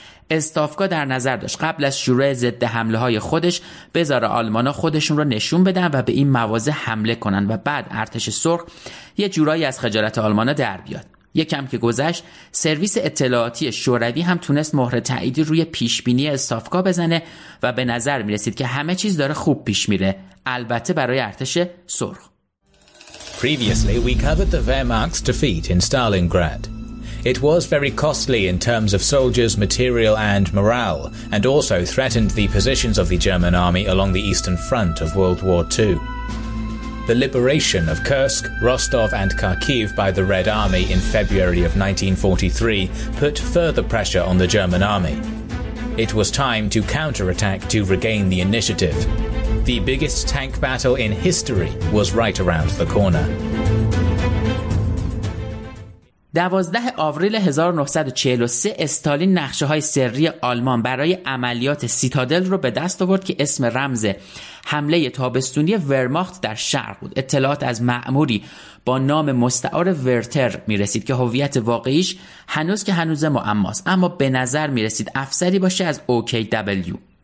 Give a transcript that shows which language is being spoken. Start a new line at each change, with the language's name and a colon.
Persian: استافکا در نظر داشت قبل از شروع ضد حمله های خودش بذاره آلمان ها خودشون رو نشون بدن و به این مواضع حمله کنند و بعد ارتش سرخ یه جورایی از خجالت آلمان ها در بیاد. یکم که گذشت، سرویس اطلاعاتی شوروی هم تونست مهر تایید روی پیشبینی استافکا بزنه و به نظر میرسید که همه چیز داره خوب پیش میره، البته برای ارتش سرخ.
English: Previously we covered the Wehrmacht's defeat in Stalingrad. It was very costly in terms of soldiers, material and morale and also threatened the positions of the German army along the eastern front of World War II. The liberation of Kursk, Rostov and Kharkiv by the Red Army in February of 1943 put further pressure on the German army. It was time to counterattack to regain the initiative. The biggest tank battle in history was right around the corner.
Persian: 12 آوریل 1943 استالین نقشه‌های سری آلمان برای عملیات سیتادل رو به دست آورد که اسم رمز حمله تابستونی ورماخت در شرق بود. اطلاعات از مأموری با نام مستعار ورتر می‌رسید که هویت واقعیش هنوز که هنوز معماست، اما به نظر می‌رسید افسری باشه از OKW.